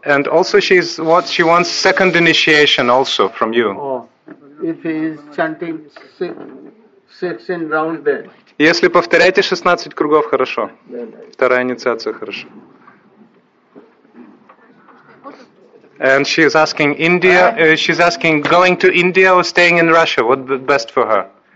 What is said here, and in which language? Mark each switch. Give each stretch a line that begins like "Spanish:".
English: And also she wants second initiation also from you. Oh, if he is chanting 16 round then.
Russian: Если повторяете 16 кругов, хорошо. Вторая инициация, хорошо.
English: And she is asking India, she's asking going to India or staying in Russia, what best for her?